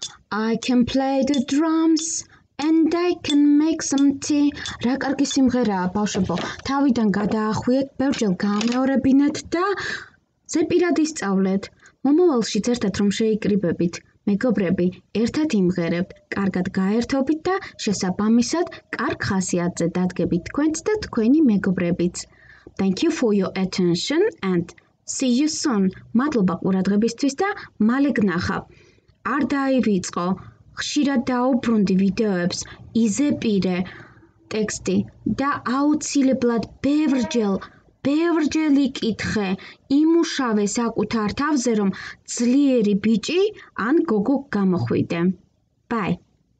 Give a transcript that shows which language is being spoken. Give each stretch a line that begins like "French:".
English: I can play the drums and I can make some tea.
Georgian: Რა კარგი სიმღერაა, ბავშვებო. თავიდან გადაახვიეთ, ბევრჯერ გაამეორებინეთ და ზეპირად ისწავლეთ. მომავალში ერთად რომ შეიკრიბებით, მეგობრები, ერთად იმღერებთ, კარგად გაერთობით და შესაბამისად კარგ ხასიათზე დადგებით თქვენც და თქვენი მეგობრებიც.
English: Thank you for your attention and see you soon.
Georgian: მადლობა ყურადღებისთვის და მალე გნახავ. არ დაივიწყო, ხშირად დაუბრუნდი ვიდეოებს, იზეპირე ტექსტი და აუცილებლად ბევრჯელი კითხე, იმუშავე საკუთარ თავზე, რომ ძლიერი ბიჭი ან გოგო გამოხვიდე. Bye.